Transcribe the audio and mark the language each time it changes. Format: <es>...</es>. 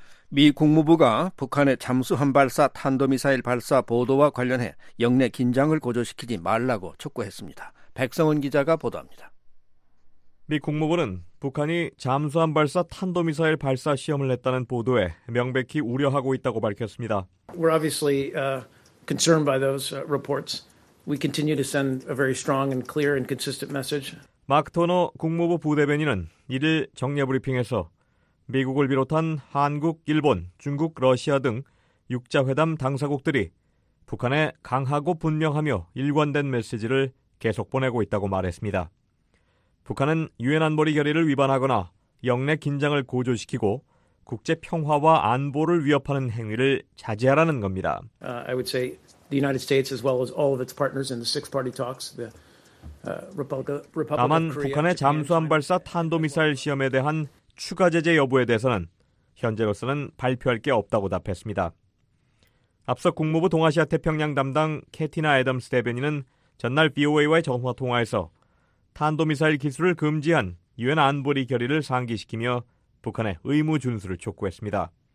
<ko>미 국무부가 북한의 잠수함 발사 탄도미사일 발사 보도와 관련해 영내 긴장을 고조시키지 말라고 촉구했습니다. 백성원 기자가 보도합니다. 미 국무부는 북한이 잠수함 발사 탄도미사일 발사 시험을 했다는 보도에 명백히 우려하고 있다고 밝혔습니다.</ko> <en>We're obviously concerned by those reports. We continue to send a very strong and clear and consistent message.</en> <ko>마크 토너 국무부 부대변인은 이를 정례 브리핑에서 미국을 비롯한 한국, 일본, 중국, 러시아 등 6자회담 당사국들이 북한에 강하고 분명하며 일관된 메시지를 계속 보내고 있다고 말했습니다. 북한은 유엔 안보리 결의를 위반하거나 영내 긴장을 고조시키고 국제 평화와 안보를 위협하는 행위를 자제하라는 겁니다.</ko> <en>I would say the United States as well as all of its partners in the six-party talks, the</en> <ko>다만 북한의 잠수함 발사 탄도미사일 시험에 대한 추가 제재 여부에 대해서는 현재로서는 발표할 게 없다고 답했습니다. 앞서 국무부 동아시아 태평양 담당 캐티나 애덤스 대변인은 전날 BOA와의 전화 통화에서 탄도미사일 기술을 금지한 유엔 안보리 결의를 상기시키며 북한의 의무 준수를 촉구했습니다.</ko>